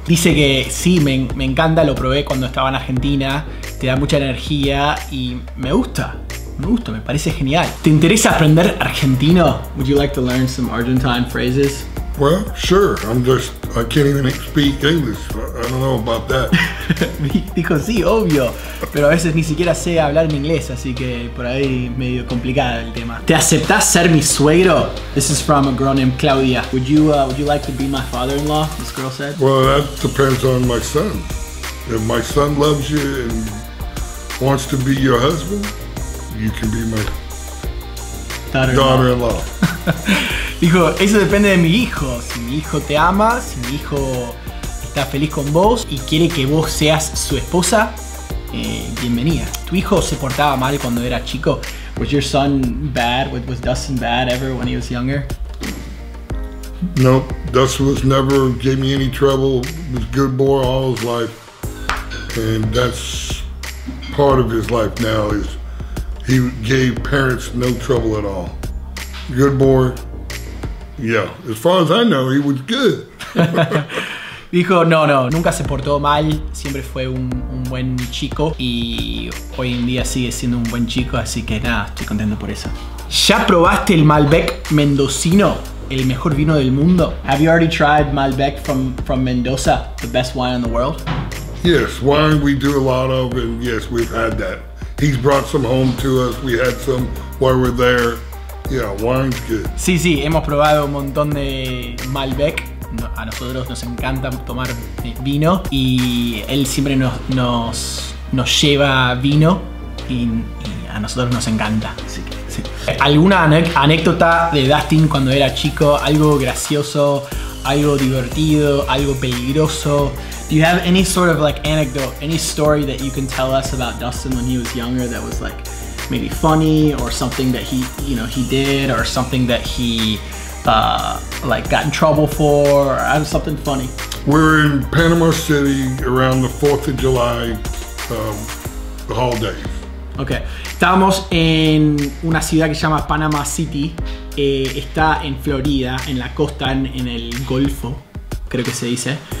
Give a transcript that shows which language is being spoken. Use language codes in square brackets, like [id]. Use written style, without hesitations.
[es] Dice que sí, me encanta, lo probé cuando estaba en Argentina. Te da mucha energía y me gusta, me parece genial. ¿Te interesa aprender argentino? [en] Would you like to learn some Argentine phrases? Well, sure. I can't even speak English. I don't know about that. [es] Dijo, sí, obvio. Pero a veces ni siquiera sé hablar en inglés, así que por ahí medio complicado el tema. ¿Te aceptas ser mi suegro? [en] This is from a girl named Claudia. Would you like to be my father-in-law? This girl said. Well, that depends on my son. If my son loves you and wants to be your husband, you can be my daughter-in-law. [es] Dijo, eso depende de mi hijo. Si mi hijo te ama, si mi hijo está feliz con vos y quiere que vos seas su esposa, bienvenida. ¿Tu hijo se portaba mal cuando era chico? [en] Was your son bad? Was Dustin bad ever when he was younger? No, Dustin was never gave me any trouble. Was a good boy all his life. And that's part of his life now is he gave parents no trouble at all. Good boy. Yeah, as far as I know, he was good. [es] Dijo, no, nunca se portó mal, siempre fue un buen chico y hoy en día sigue siendo un buen chico, así que nada, estoy contento por eso. ¿Ya probaste el Malbec mendocino, el mejor vino del mundo? [en] Have you already tried Malbec from Mendoza, the best wine in the world? Yes, wine we do a lot of, and yes, we've had that. He's brought some home to us, we had some while we're there. Yeah, wine's good. [es] Sí, hemos probado un montón de Malbec. A nosotros nos encanta tomar vino y él siempre nos lleva vino y a nosotros nos encanta. Así que, sí. ¿Alguna anécdota de Dustin cuando era chico? Algo gracioso, algo divertido, algo peligroso. [en] Do you have any sort of like anecdote, any story that you can tell us about Dustin when he was younger that was like maybe funny or something that he, you know, he did or something that he like got in trouble for, or something funny. We're in Panama City around the 4th of July, the holiday. Okay. [es] Estamos en una ciudad que se llama Panama City. Está en Florida, en la costa, en el Golfo, creo que se dice.